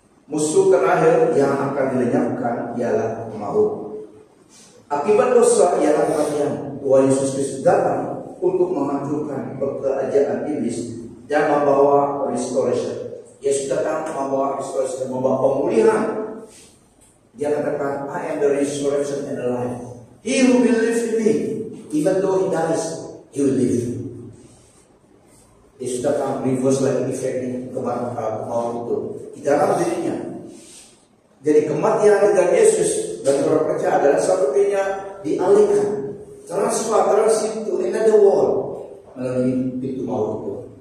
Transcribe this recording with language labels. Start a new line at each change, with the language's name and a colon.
Indonesian: Musuh terakhir yang akan dilenyapkan ialah maut. Akibat dosa ialah kematian. Tuhan Yesus Kristus datang untuk menghancurkan pekerjaan iblis dan membawa restoration. Yesus datang membawa restoration, membawa pemulihan. Dia katakan,
English: I am the resurrection and the life. He who believes in me, even though he dies, he will live.
Indonesian: Yesus datang reverse lagi efeknya kematian maut itu di dalam dirinya. Jadi kematian dengan Yesus dan perpecahan adalah sepertinya dialihkan,
English: transfer into another world
Indonesian: melalui pintu maut itu.